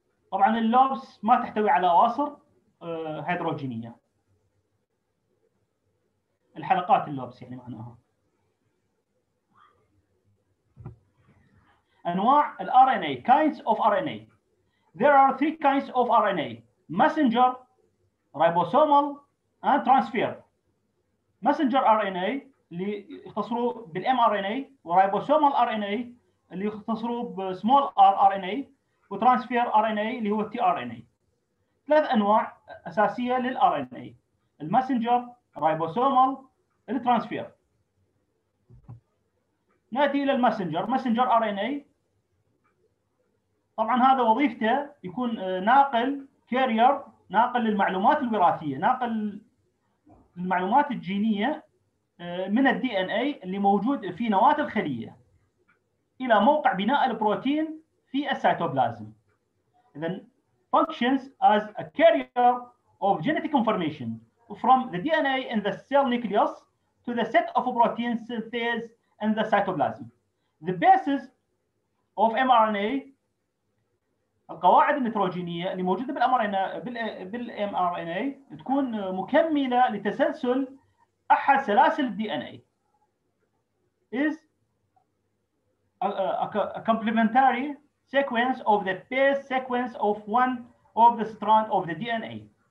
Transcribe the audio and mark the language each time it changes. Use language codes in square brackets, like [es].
[ar] طبعا اللوبس ما تحتوي على أواصر هيدروجينية، الحلقات اللوبس يعني معناها. أنواع الـ RNA، [en] kinds of RNA. There are three kinds of RNA: messenger, ribosomal, and transfer. [ar] Messenger RNA اللي يختصروا بالـ mRNA، وribosomal RNA اللي يختصروا بسمول rRNA، وترانسفير RNA اللي هو tRNA. ثلاث أنواع أساسية للـ RNA: المسنجر، ribosomal، الترانسفير. نأتي إلى المسنجر. مسنجر RNA طبعا هذا وظيفته يكون ناقل، كارير، ناقل للمعلومات الوراثيه، ناقل المعلومات الجينيه من الدي ان اي اللي موجود في نواه الخليه الى موقع بناء البروتين في السيتوبلازم. [en] اذا functions as a carrier of genetic information from the DNA in the cell nucleus to the set of protein synthase in the cytoplasm. The bases of mRNA، [ar] القواعد النيتروجينية اللي موجودة بالـ mRNA، بالـ mRNA تكون مكملة لتسلسل أحد سلاسل DNA، [en] is a complementary sequence of the base sequence of one of the strand of the DNA.